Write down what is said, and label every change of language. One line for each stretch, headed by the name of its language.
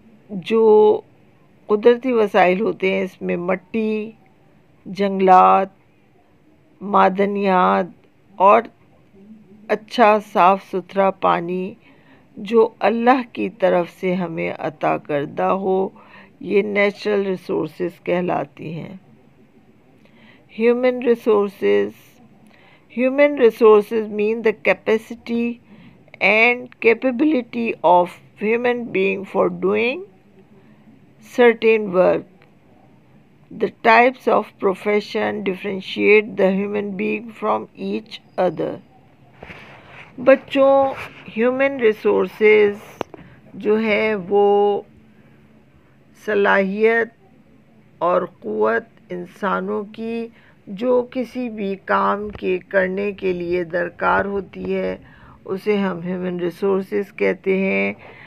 Hindi: जो कुदरती वसाइल होते हैं इसमें मिट्टी, जंगलात, मादनियात और अच्छा साफ सुथरा पानी जो अल्लाह की तरफ से हमें अता करदा हो, ये नेचुरल रिसोर्सेज कहलाती हैं.
English: Human resources Human resources mean the capacity and capability of human being for doing certain work. The types of profession differentiate the human being from each other.
Hindi: बच्चों, human resources जो है वो सलाहियत और कुव्वत इंसानों की जो किसी भी काम के करने के लिए दरकार होती है उसे हम ह्यूमन रिसोर्सेज कहते हैं.